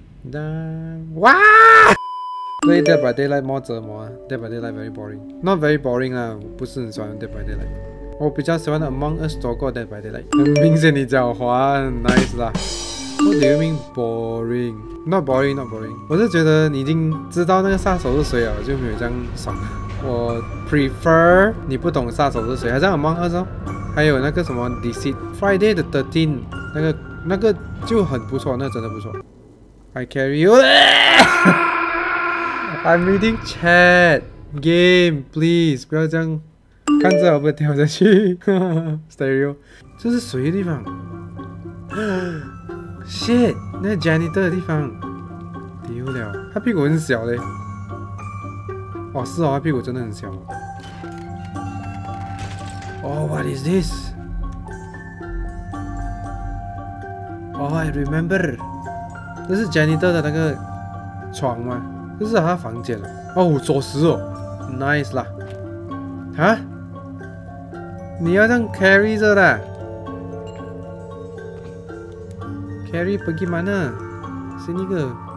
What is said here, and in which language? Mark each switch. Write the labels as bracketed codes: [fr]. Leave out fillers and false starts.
[zh] OK OK Play Dead by Daylight more 折磨啊 Dead by Daylight [en] very boring Not very boring [zh] 啊不是很喜欢 Dead by Daylight 我比较喜欢 Among Us 多过 Dead by Daylight 很明显你狡猾很 nice 啦 [en] What do you mean boring? Not boring not boring [zh] 我是觉得你已经知道那个杀手是谁了就没有这样爽我 prefer 你不懂杀手是谁还是 Among Us 哦还有那个什么 Deceit Friday the 13th 那个就很不错那个真的不错 [en] I carry you I'm reading chat game, please [zh] 不要这样看着我不跳下去。 Stereo, 这是谁的地方 ？Shit, 那 janitor 的地方丢了，他屁股很小嘞。哦，是哦，他屁股真的很小。 [en] Oh, what is this? Oh, I remember, [zh] 这是 janitor 的那个床吗？这是他房间了哦，锁匙哦 ，nice 啦，啊？你要这样 carry 着的 ？carry 不给嘛呢？是那个？